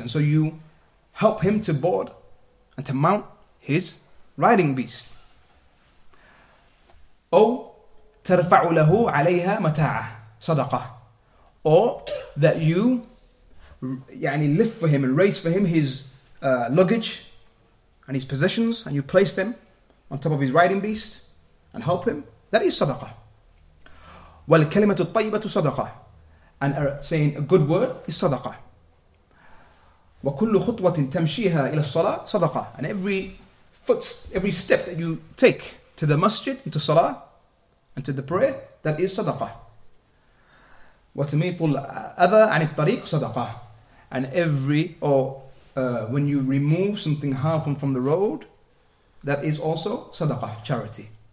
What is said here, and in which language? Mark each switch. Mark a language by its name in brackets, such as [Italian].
[English] And so you help him to board and to mount his riding beast. [Arabic] أو تَرْفَعُ لَهُ عَلَيْهَا مَتَاعَ صَدَقَة. [English] Or that you lift for him and raise for him his luggage and his possessions, and you place them on top of his riding beast and help him, that is sadaqah. [Arabic] والكلمة الطيبة صدقة. [English] And saying a good word is sadaqah. [Arabic] وكل خطوة تمشيها إلى الصلاة صدقة. [English] And every step that you take to the masjid, into salah, and to the prayer, that is sadaqah. [Arabic] وتميط الأذى عن الطريق صدقة. [English] And when you remove something harmful from the road, that is also sadaqah, charity.